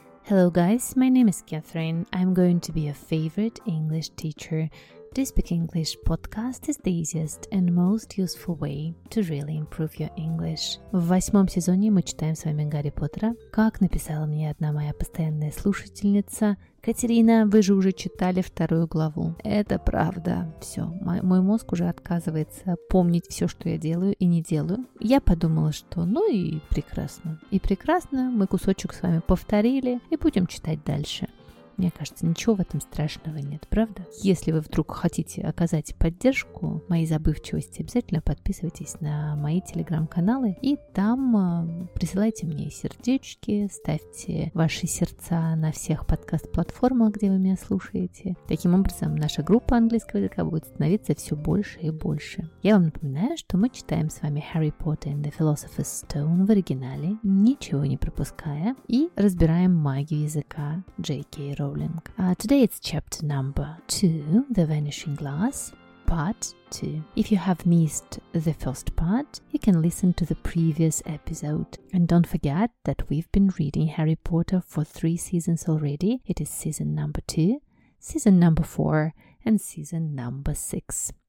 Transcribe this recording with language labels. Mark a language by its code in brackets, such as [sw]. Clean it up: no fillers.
[en] Hello guys, my name is Catherine. I'm going to be your favorite English teacher. Do you speak English podcast is the easiest and most useful way to really improve your English. [ru] В восьмом сезоне мы читаем с вами Гарри Поттера, как написала мне одна моя постоянная слушательница. Катерина, вы же уже читали вторую главу. Это правда. Все, мой мозг уже отказывается помнить все, что я делаю и не делаю. Я подумала, что ну и прекрасно. И прекрасно, мы кусочек с вами повторили и будем читать дальше. Мне кажется, ничего в этом страшного нет, правда? Если вы вдруг хотите оказать поддержку моей забывчивости, обязательно подписывайтесь на мои телеграм-каналы и там присылайте мне сердечки, ставьте ваши сердца на всех подкаст-платформах, где вы меня слушаете. Таким образом, наша группа английского языка будет становиться все больше и больше. Я вам напоминаю, что мы читаем с вами Harry Potter and the Philosopher's Stone в оригинале, ничего не пропуская, и разбираем магию языка J.K. [en] Rowling. Today it's chapter number 2, The Vanishing Glass, part 2. If you have missed the first part, you can listen to the previous episode. And don't forget that we've been reading Harry Potter for 3 seasons already. It is season number 2, season number 4, and season number 6.